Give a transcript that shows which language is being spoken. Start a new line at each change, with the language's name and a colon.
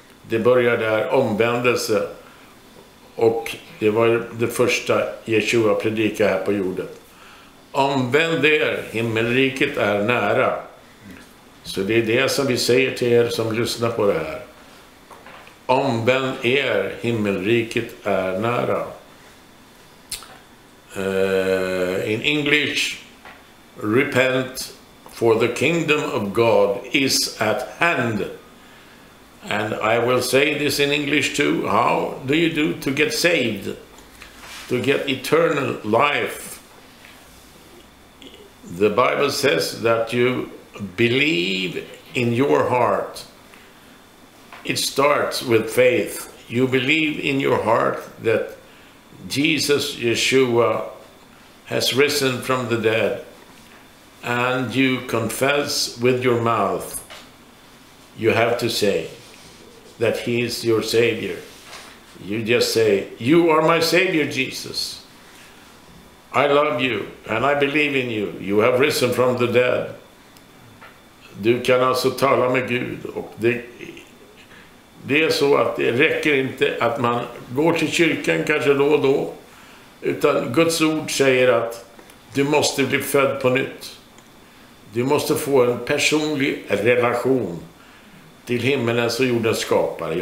Swedish: Det börjar där, omvändelse. Och det var det första Yeshua predikade här på jorden. Omvänd er, himmelriket är nära. Så det är det som vi säger till er som lyssnar på det här. Omvänd er, himmelriket är nära.
English: In English, repent, for the kingdom of God is at hand. And I will say this in English too. How do you do to get saved? To get eternal life? The Bible says that you believe in your heart. It starts with faith. You believe in your heart that Jesus Yeshua has risen from the dead. And you confess with your mouth. You have to say that he is your savior. You just say, you are my savior, Jesus. I love you and I believe in you. You have risen from the dead.
Swedish: Du kan alltså tala med Gud. Och det är så att det räcker inte att man går till kyrkan kanske då och då. Utan Guds ord säger att du måste bli född på nytt. Du måste få en personlig relation till himmelen som jorden skapar.